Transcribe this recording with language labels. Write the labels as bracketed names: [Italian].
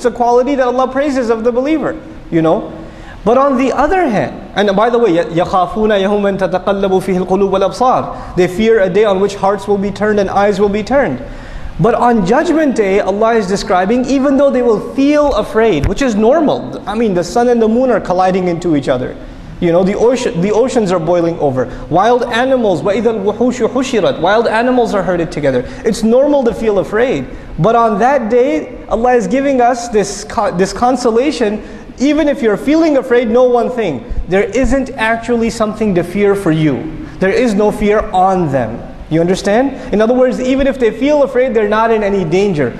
[English] It's a quality that Allah praises of the believer, you know. But on the other hand, and by the way, [Arabic] يَخَافُونَ يَهُمَّنْ تَتَقَلَّبُ فِيهِ الْقُلُوبُ وَالْأَبْصَارِ. [English] They fear a day on which hearts will be turned and eyes will be turned. But on judgment day, Allah is describing, even though they will feel afraid, which is normal. I mean, the sun and the moon are colliding into each other. You know, the oceans are boiling over. Wild animals, [Arabic] وَإِذَا الْوُحُوشُ حُشِرَتْ. [English] Wild animals are herded together. It's normal to feel afraid. But on that day, Allah is giving us this consolation. Even if you're feeling afraid, know one thing. There isn't actually something to fear for you. There is no fear on them. You understand? In other words, even if they feel afraid, they're not in any danger.